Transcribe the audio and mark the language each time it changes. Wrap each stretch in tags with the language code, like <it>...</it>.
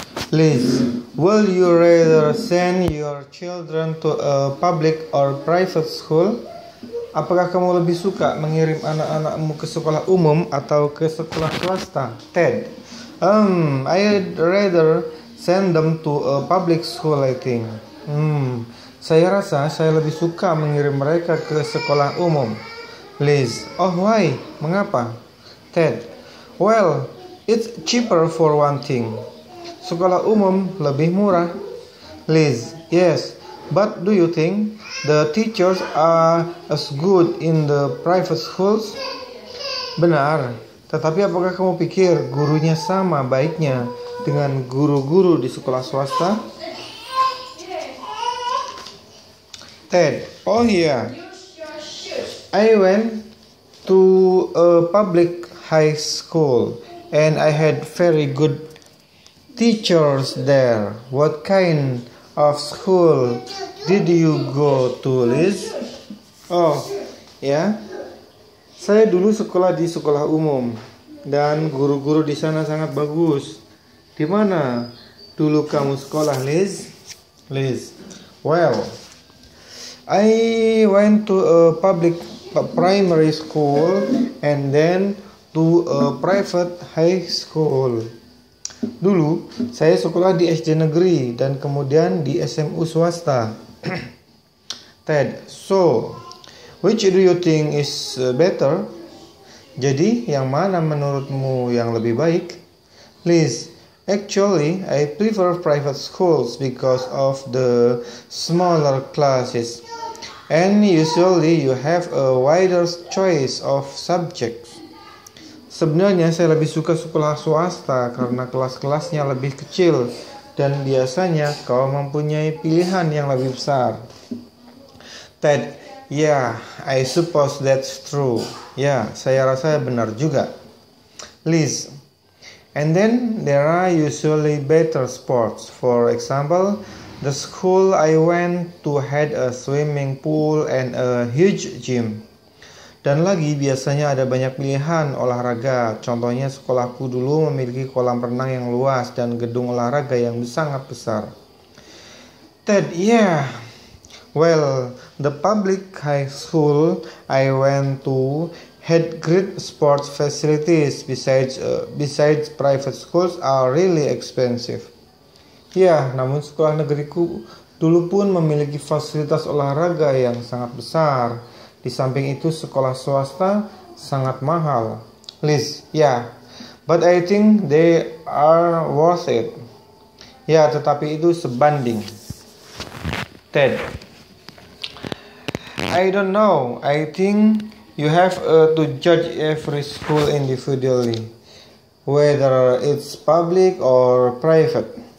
<en>Please, would you rather send your children to a public or private school?</en> <id>Apakah kamu lebih suka mengirim anak-anakmu ke sekolah umum atau ke sekolah swasta? Ted.</id> <en>I'd rather send them to a public school, I think.</en> <id>Saya rasa saya lebih suka mengirim mereka ke sekolah umum. Liz.</id> <en>Oh, why?</en> <id>Mengapa? Ted.</id> <en>Well, it's cheaper for one thing.</en> <id>Sekolah umum lebih murah. Liz.</id> <en>Yes, but do you think the teachers are as good in the private schools?</en> <id>Benar. Tetapi apakah kamu pikir gurunya sama baiknya dengan guru-guru di sekolah swasta?</id> <en>Ted. Oh yeah. I went to a public high school and I had very good teachers there. What kind of school did you go to, Liz?</en> <id>Oh, yeah. Saya dulu sekolah di sekolah umum dan guru-guru di sana sangat bagus. Di mana dulu kamu sekolah, Liz? Liz.</id> <en>Well, I went to a public primary school and then to a private high school.</en> <id>Dulu saya sekolah di SD negeri dan kemudian di SMU swasta.</id> <en>Ted, so which do you think is better?</en> <id>Jadi yang mana menurutmu yang lebih baik?</id> <en>Please, actually I prefer private schools because of the smaller classes. And usually you have a wider choice of subjects.</en> <id>Sebenarnya saya lebih suka sekolah swasta karena kelas-kelasnya lebih kecil dan biasanya kau mempunyai pilihan yang lebih besar.</id> <en>Ted, yeah, I suppose that's true.</en> <id>Yeah, saya rasa benar juga.</id> <en>Liz, and then there are usually better sports. For example, the school I went to had a swimming pool and a huge gym.</en> <id>Dan lagi biasanya ada banyak pilihan olahraga. Contohnya sekolahku dulu memiliki kolam renang yang luas dan gedung olahraga yang sangat besar.</id> <en>Ted, yeah. Well, the public high school I went to had great sports facilities. Besides private schools are really expensive.</en> <id>Ya, namun sekolah negeriku dulu pun memiliki fasilitas olahraga yang sangat besar. Di samping itu, sekolah swasta sangat mahal.</id> <en>Liz, yeah, but I think they are worth it.</en> <id>Ya, tetapi itu sebanding. Ted,</id> <en>I don't know. I think you have to judge every school individually, whether it's public or private.</en>